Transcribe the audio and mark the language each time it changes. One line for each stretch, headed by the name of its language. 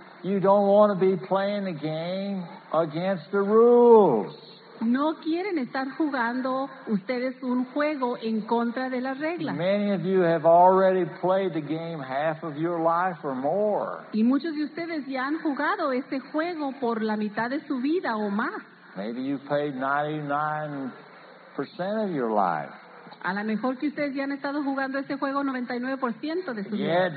English: You don't want to be playing a game against the rules.
Spanish: No quieren estar jugando ustedes un juego en contra de las reglas.
English: Many of you have already played the game half of your life or more.
Spanish: Y muchos de ustedes ya han jugado este juego por la mitad de su vida o más.
English: Maybe you've played 99% of your life.
Spanish: A lo mejor que ustedes ya han estado jugando este juego 99% de su vida.